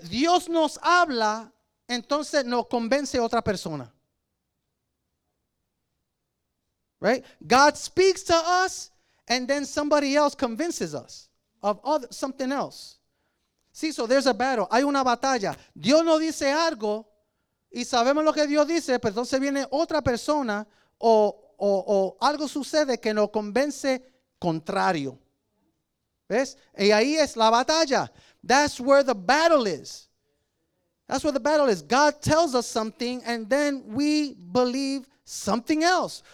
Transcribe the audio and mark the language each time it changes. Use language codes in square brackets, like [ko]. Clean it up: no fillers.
[es] Dios nos habla, entonces nos convence otra persona. [en] Right? God speaks to us, and then somebody else convinces us of something else. See, so there's a battle. [es] Hay una batalla. Dios nos dice algo. Y sabemos lo que Dios dice, pero entonces viene otra persona o algo sucede que nos convence contrario. ¿Ves? Y ahí es la batalla. [en] That's where the battle is. That's where the battle is. God tells us something and then we believe something else.